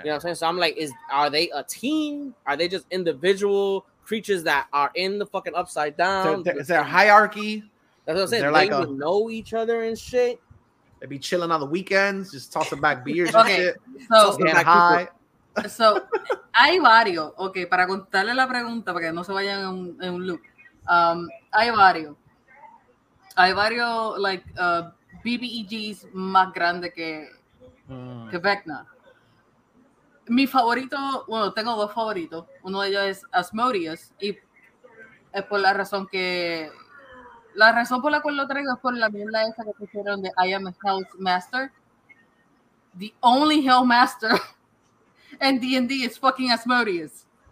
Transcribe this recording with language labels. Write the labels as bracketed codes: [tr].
[en] You know what I'm saying? So I'm like, are they a team? Are they just individual creatures that are in the fucking upside down? Is there a hierarchy? That's what I'm saying. They're like know each other and shit. They be chilling on the weekends, just tossing back beers and shit. So, high. [es] So hay varios. Okay, para contarle la pregunta, para que no se vayan en un loop. Hay varios. Hay varios, like, BBEGs más grandes que Vecna. Mi favorito, bueno, tengo dos favoritos. Uno de ellos es Asmodeus, y es por la razón que... La razón por la cual lo traigo es por la mierda esa que pusieron de [en] I am a Hellmaster. The only Hellmaster in D&D is fucking Asmodeus.